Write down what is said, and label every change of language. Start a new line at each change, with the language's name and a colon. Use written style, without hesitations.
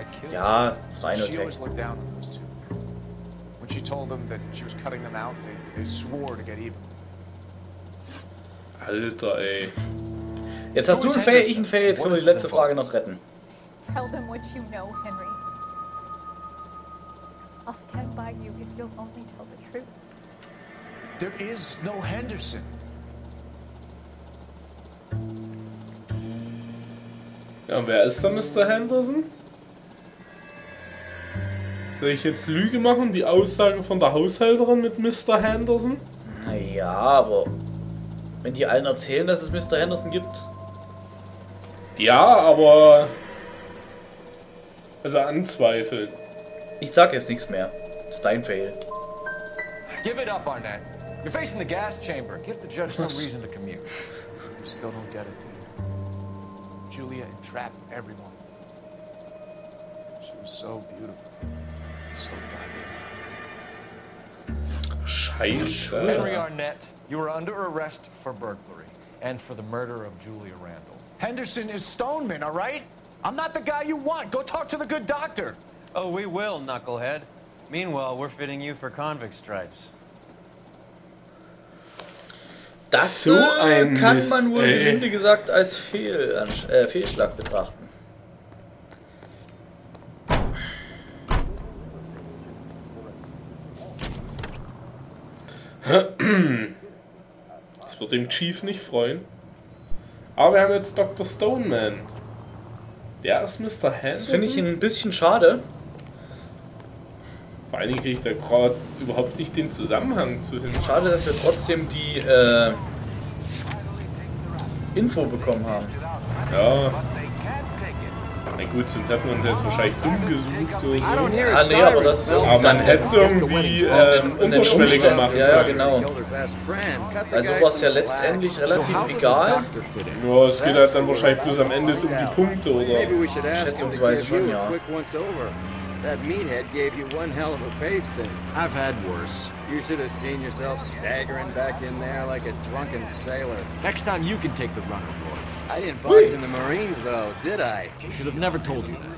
German: Ja, das Rhino-Tech. Alter, ey. Jetzt hast du ein Fail, ich ein Fail. Jetzt können wir die letzte Frage noch retten.
English: Tell them what you know, Henry. I'll stand by you if you'll only tell the truth. There is no Henderson.
German: Ja, wer ist da Mr. Henderson? Soll ich jetzt Lüge machen, die Aussage von der Haushälterin mit Mr. Henderson? Naja, aber wenn die allen erzählen, dass es Mr. Henderson gibt. Ja, aber... Also anzweifeln. Ich sag jetzt nichts mehr. Das ist dein Fail.
English: Give it up, Arnett. You're facing the gas chamber. Give the judge some reason to commute. You still don't get it, do you? Julia entrapped everyone. She was so beautiful. So goddamn.
German: Scheiße.
English: Henry Arnett, you were under arrest for burglary and for the murder of Julia Randall. Henderson is Stoneman, all right? I'm not the guy you want. Go talk to the good doctor. Oh, we will, knucklehead. Meanwhile, we're fitting you for convict stripes.
German: Das so ein kann Mist, man wohl im Grunde gesagt als Fehlschlag betrachten. Das wird dem Chief nicht freuen. Aber wir haben jetzt Dr. Stoneman. Der ist Mr. Henderson. Das finde ich ein bisschen schade. Vor allen Dingen kriege ich da gerade überhaupt nicht den Zusammenhang zu hin. Schade, dass wir trotzdem die Info bekommen haben. Ja. Na gut, sonst hätten wir uns jetzt wahrscheinlich dumm gesucht oder so. Ah nee, aber das ist irgendwie... Aber man hätte es irgendwie unterschwelliger machen können. Ja, ja, genau. Also war es ja letztendlich relativ egal. Ja, es geht halt dann wahrscheinlich bloß am Ende um die Punkte oder... Schätzungsweise schon, ja.
English: That meathead gave you one hell of a pasting. I've had worse. You should have seen yourself staggering back in there like a drunken sailor. Next time you can take the runner, boy. I didn't box in the Marines, though, did I? I should have never told you that.